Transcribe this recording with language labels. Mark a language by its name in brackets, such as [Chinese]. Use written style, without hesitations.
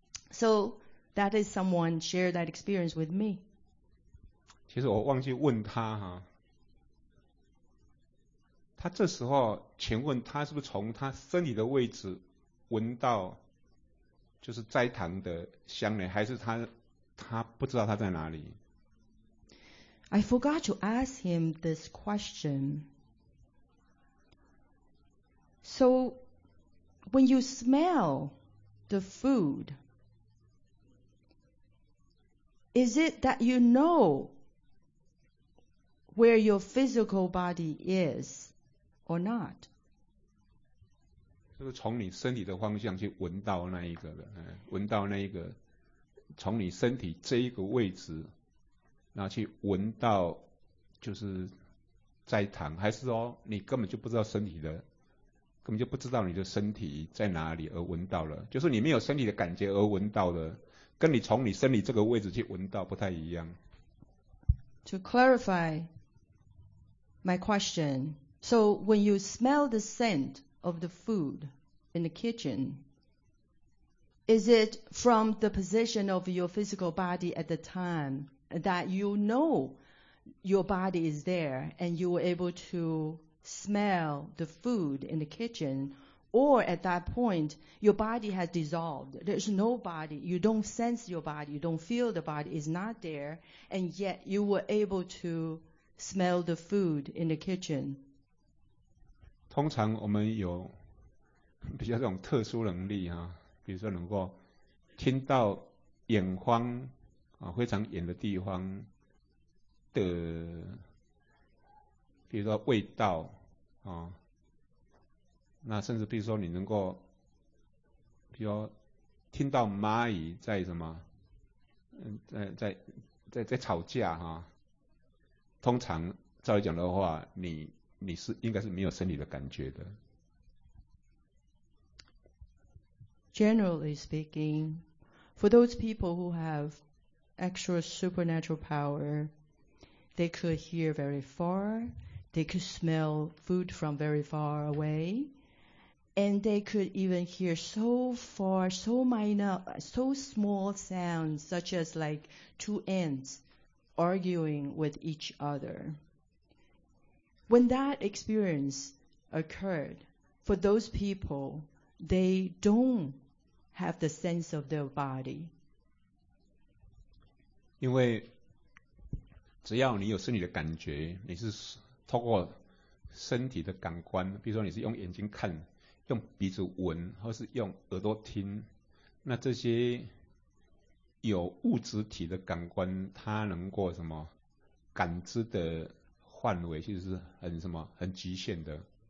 [English] So that is someone share that experience with me. [Chinese] 其实我忘记问他哈，他这时候请问他是不是从他身体的位置闻到就是斋堂的香呢，还是他不知道他在哪里？ [English] I forgot to ask him this question. So when you smell the food,Is it that you know where your physical body is or not? [Chinese] 就是从你身体的方向去闻到那一个的，闻到那一个，从你身体这一个位置，然后去闻到就是在躺，还是说你根本就不知道身体的，根本就不知道你的身体在哪里而闻到了，就是你没有身体的感觉而闻到的。跟你从你身体这个位置去闻到不太一样。 [English] To clarify my question, so when you smell the scent of the food in the kitchen, is it from the position of your physical body at the time that you know your body is there and you were able to smell the food in the kitchen? Or at that point, your body has dissolved. There's no body. You don't sense your body. You don't feel the body is not there. And yet you were able to smell the food in the kitchen. [Chinese] 通常我们有比较这种特殊能力啊，比如说能够听到远方啊，非常远的地方的，比如说味道啊。那甚至比如说你能够比如说听到蚂蚁在什么在吵架哈，通常照理讲的话你是应该是没有身体的感觉的。 [English] Generally speaking, for those people who have extra supernatural power, they could hear very far, they could smell food from very far awayAnd they could even hear so far, so minor, so small sounds, such as like two ants arguing with each other. When that experience occurred, for those people, they don't have the sense of their body. [Chinese] 因为只要你有身体的感觉，你是透过身体的感官，比如说你是用眼睛看用鼻子闻或是用耳朵听，那这些有物质体的感官它能够什么感知的范围其实是很什么很局限的。